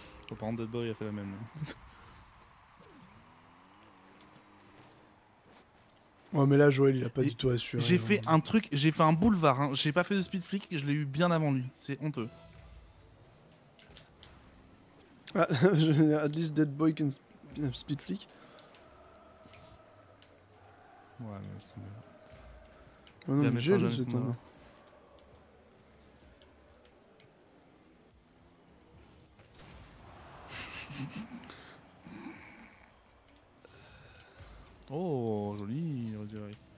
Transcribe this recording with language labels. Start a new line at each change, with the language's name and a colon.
French: Oh, par contre, Deadboy a fait la même. Hein. Ouais, mais là, Joël, il a pas du tout assuré. J'ai fait un truc, j'ai fait un boulevard, hein. J'ai pas fait de speed flick, je l'ai eu bien avant lui. C'est honteux.
English: At least Deadboy can speed flick.
French: Ouais, mais c'est bien. Ouais, non, mais j'ai, c'est pas. Oh, joli, on dirait.